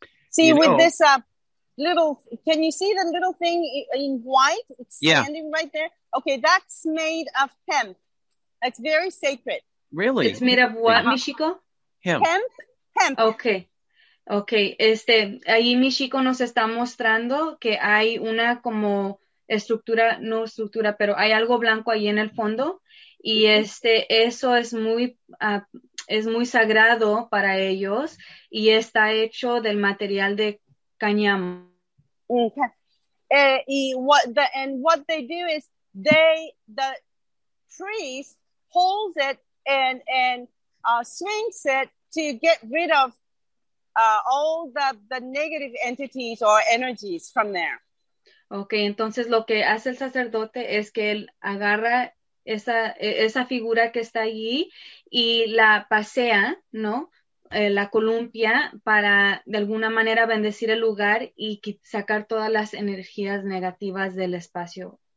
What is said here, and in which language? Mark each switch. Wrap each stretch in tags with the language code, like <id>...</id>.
<en>Sí, you know, with this up. Little, can you see the little thing in white? It's yeah. Standing right there. Okay, that's made of hemp. That's very sacred. Really? It's made of what, Michiko? Hemp. Hemp? Hemp. Okay. Okay.</en> <es>Ahí Michiko nos está mostrando que hay una como estructura, no estructura, pero hay algo blanco ahí en el fondo. Y eso es muy muy sagrado para ellos. Y está hecho del material de cañamo.</es> <en>Okay. What they do is the priest holds it and swings it to get rid of all the negative entities or energies from there.</en> <es>Okay, entonces lo que hace el sacerdote es que él agarra esa figura que está allí y la pasea, ¿no? La columpia para de alguna manera bendecir el lugar y sacar todas las energías negativas del espacio.</es>